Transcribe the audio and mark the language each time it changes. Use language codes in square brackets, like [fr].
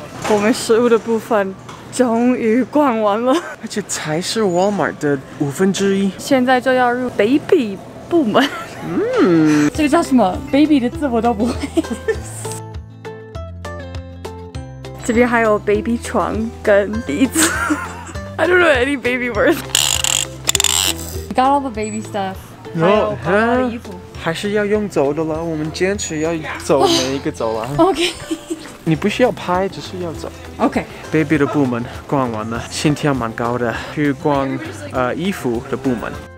[zh] 我们食物的部分终于逛完了，而且才是 Walmart 的五分之一。现在就要入 Baby 部门。这个叫什么 ？Baby 的字我都不会。这边还有 Baby 床跟椅子。 [en] I don't know any baby words. Got all the baby stuff. [zh] 还有把他的衣服。还是要用走的了，我们坚持要走每一个走廊。 OK，你不需要拍，只是要走。 OK， Baby 的部门逛完了，心跳蛮高的，去逛衣服的部门。